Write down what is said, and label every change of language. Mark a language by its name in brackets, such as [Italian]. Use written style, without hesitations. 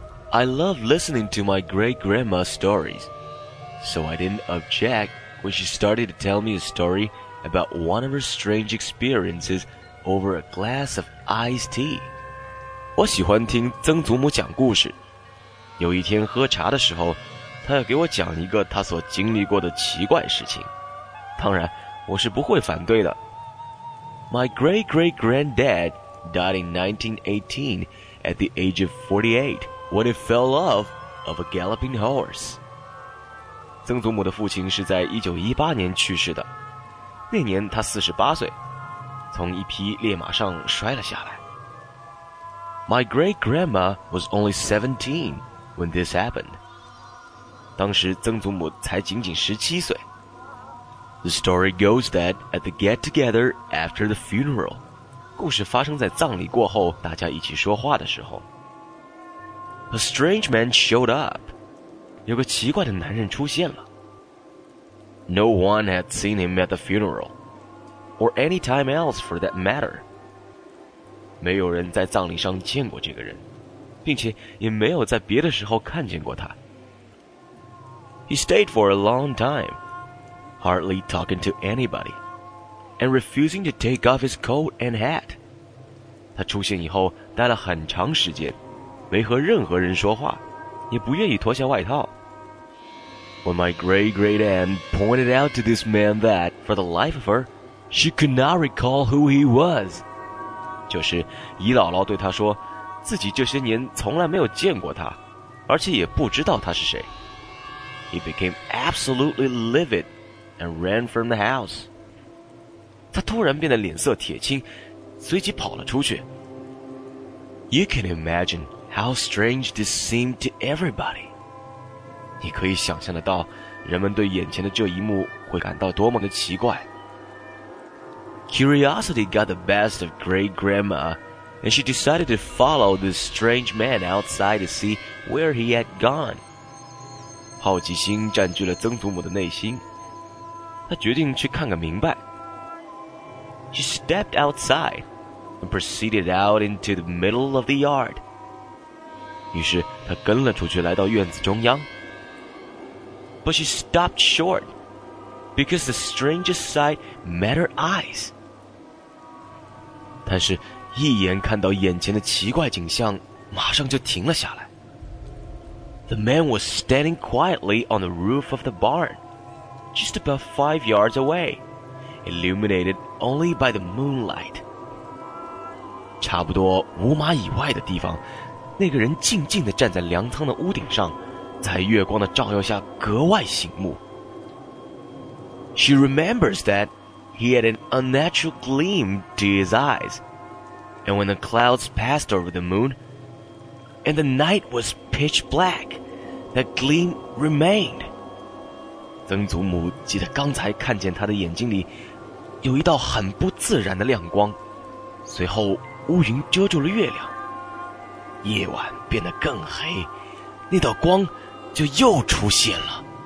[English] I love listening to my great-grandma's stories, so I didn't object when she started to tell me a story about one of her strange experiences over a glass of iced tea. [Chinese] 我喜欢听曾祖母讲故事。有一天喝茶的时候，她要给我讲一个她所经历过的奇怪事情。当然，我是不会反对的。 [English] My great-great-granddad died in 1918 at the age of 48. When it fell off of a galloping horse. [Chinese] 曾祖母的父亲是在1918年去世的，那年他48岁，从一匹烈马上摔了下来。 [English] My great-grandma was only 17 when this happened. [Chinese] 当时曾祖母才仅仅17岁。 [English] The story goes that at the get-together after the funeral. [Chinese] 故事发生在葬礼过后，大家一起说话的时候。 [English] A strange man showed up. [Chinese] 有个奇怪的男人出现了。 [English] No one had seen him at the funeral, or any time else for that matter. [Chinese] 没有人在葬礼上见过这个人，并且也没有在别的时候看见过他。 [English] He stayed for a long time, hardly talking to anybody, and refusing to take off his coat and hat. [Chinese] 他出现以后待了很长时间。没和任何人说话，也不愿意脱下外套。 [English] When my great-great-aunt pointed out to this man that, for the life of her, she could not recall who he was. [Chinese] 就是姨姥姥对他说，自己这些年从来没有见过他，而且也不知道他是谁。 [English] He became absolutely livid and ran from the house. [Chinese] 他突然变得脸色铁青，随即跑了出去。 [English] You can imagine... How strange this seemed to everybody. [Chinese] 你可以想象得到，人们对眼前的这一幕会感到多么的奇怪。 [English] Curiosity got the best of great-grandma, and she decided to follow this strange man outside to see where he had gone. [Chinese] 好奇心占据了曾祖母的内心，她决定去看个明白。 [English] She stepped outside and proceeded out into the middle of the yard. [Chinese] 于是他跟了出去，来到院子中央。 [English] But she stopped short, because the strangest sight met her eyes. [Chinese] 但是，一眼看到眼前的奇怪景象，马上就停了下来。 [English] The man was standing quietly on the roof of the barn, just about 5 yards away, illuminated only by the moonlight. [Chinese] 差不多5码以外的地方。那个人静静地站在粮仓的屋顶上，在月光的照耀下格外醒目。 [English] She remembers that he had an unnatural gleam to his eyes, and when the clouds passed over the moon, and the night was pitch black, that gleam remained. [Chinese] 曾祖母记得刚才看见他的眼睛里有一道很不自然的亮光，随后乌云遮住了月亮。夜晚变得更黑，那道光就又出现了。